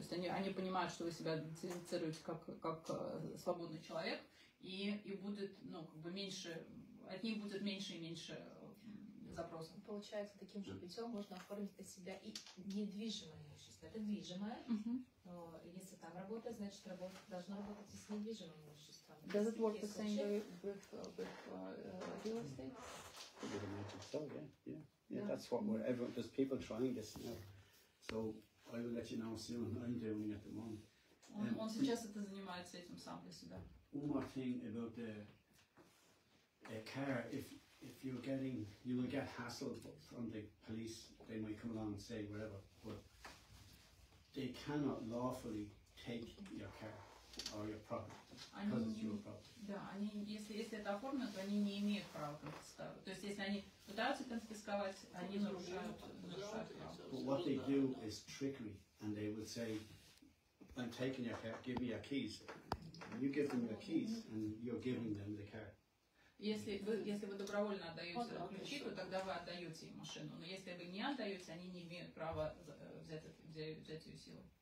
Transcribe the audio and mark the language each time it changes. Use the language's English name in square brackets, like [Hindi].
[Russian] То есть они понимают, что вы себя идентифицируете как свободный человек, и будет меньше, от них будет меньше и меньше. Запросом. Получается, таким же путем можно оформить для себя и недвижимое имущество. Это движимое, но если там работает, значит, должно работать и с недвижимым имуществом. [English] Does it work the same way with real estate? So, yeah. That's what we're, everyone, there's people trying this now. So, I will let you know soon, I'm doing it at the moment. [Russian] Он сейчас это занимается этим сам для себя. [English] One more thing about the care. If you're getting, you will get hassled from the police, they might come along and say whatever, but they cannot lawfully take your car or your property, because it's your property. [Russian] Да, они, если это оформят, они не имеют права конфисковать. То есть, если они пытаются конфисковать, они нарушают право. [English] But what they do is trickery, and they will say, I'm taking your car, give me your keys. And you give them your keys, and you're giving them the car. [Russian] Если вы добровольно отдаете ключи, то тогда вы отдаете им машину. Но если вы не отдаете, они не имеют права взять ее силу.